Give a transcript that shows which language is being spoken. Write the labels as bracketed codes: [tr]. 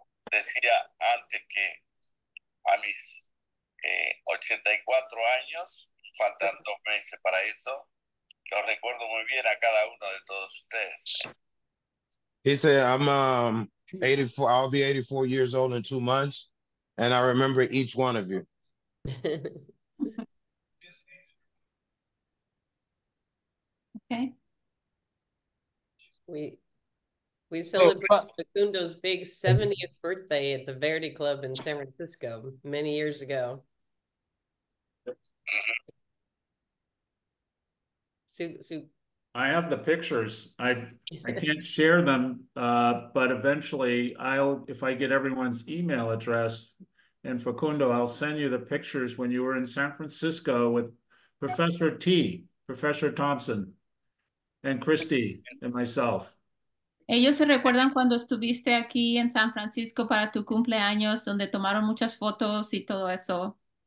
[es] Decía antes que a mis 84 años, faltan 2 meses para eso, lo recuerdo muy bien a cada uno de todos ustedes. [en] He said, I'll be 84 years old in 2 months, and I remember each one of you. Okay. We celebrated Facundo's big 70th birthday at the Verdi Club in San Francisco many years ago. I have the pictures. I can't share them, but eventually if I get everyone's email address and Facundo, I'll send you the pictures when you were in San Francisco with Professor Thompson and Christy and myself. [es] Ellos se recuerdan cuando estuviste aquí en San Francisco para tu cumpleaños, donde tomaron muchas fotos y todo eso.